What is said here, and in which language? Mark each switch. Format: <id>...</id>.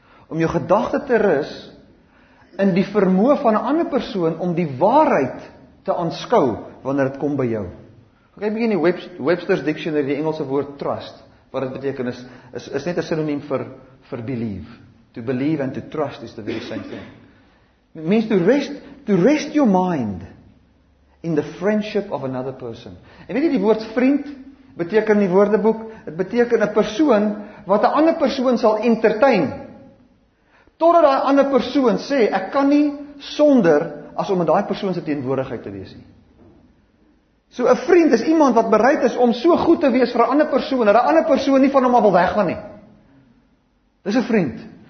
<af>Om jou gedagte te rus in die vermoë van 'n ander persoon om die waarheid te aanskou wanneer dit kom by jou. Kyk 'n bietjie in die Webster's Dictionary die Engelse woord trust, wat dit beteken is net 'n sinoniem vir believe.</af> <en>To believe and to trust is the very same thing. It means to rest your mind in the friendship of another person.</en> <af>En weet jy die woord vriend beteken in die woordeboek, dit beteken 'n persoon wat 'n ander persoon sal entertain totdat daai ander persoon sê ek kan nie sonder as om met daai persoon se teenwoordigheid te wees nie. So 'n vriend is iemand wat bereid is om so goed te wees vir 'n ander persoon dat 'n ander persoon nie van hom af wil weggaan nie. Dis 'n vriend.</af>